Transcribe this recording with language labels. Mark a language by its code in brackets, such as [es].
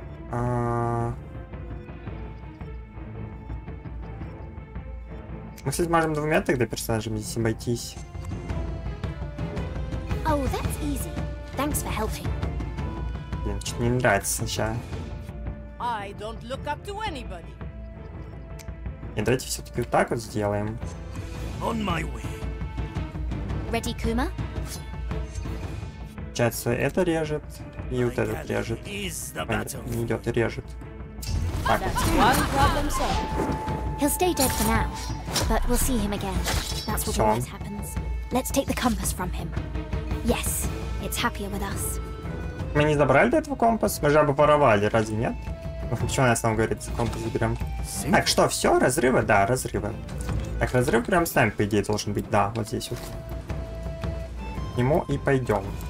[ru] Мы, кстати, можем двумя тогда персонажами здесь обойтись. [en] Oh, that's easy. Thanks for helping. [ru] Блин, что-то не нравится сначала. [en] I don't look up to anybody. [ru] И давайте все-таки вот так вот сделаем. [en] On my way. Ready, Kuma? [ru] Получается, это режет, и вот этот режет. Не идет и режет. Так вот. [en] One problem solved. He'll stay dead for now, but we'll see him again. That's what always happens. Let's take the compass from him. Yes, it's happier with us. [ru] Мы не забрали до этого компас? Мы же обворовали, разве нет? Почему она с нами говорит, компас заберем? Так, что, все, разрывы? Да, разрывы. Так, разрыв прям с нами, по идее, должен быть. Да, вот здесь вот. К нему и пойдем.